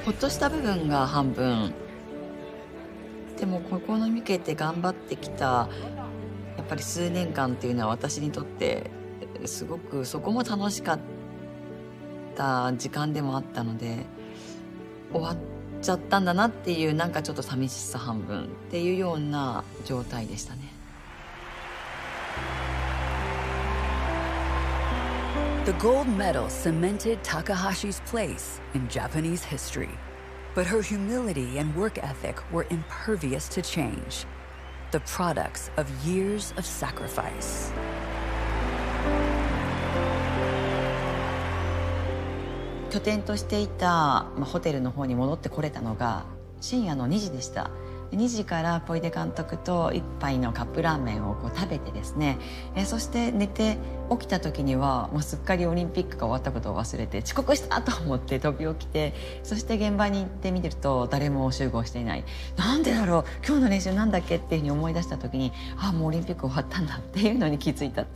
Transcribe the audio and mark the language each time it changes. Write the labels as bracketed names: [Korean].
[Japanese] した部分が半分でも、ここに向けて頑張ってきたやっぱり数年間っていうのは私にとってすごくそこも楽しかった時間でもあったので、終わっちゃったんだなっていうなんかちょっと寂しさ半分っていうような状態でしたね。 [English] The gold medal cemented Takahashi's place in Japanese historyBut her humility and work ethic were impervious to change, the products of years of sacrifice. [Japanese] 拠点としていた、まあ、ホテルの方に戻ってこれたのが深夜の2時でした。 2時から小出監督と一杯のカップラーメンをこう食べてですね、そして寝て起きた時にはもうすっかりオリンピックが終わったことを忘れて遅刻したと思って飛び起きて、そして現場に行ってみると誰も集合していない、なんでだろう今日の練習なんだっけっていうふうに思い出した時に、ああもうオリンピック終わったんだっていうのに気づいた。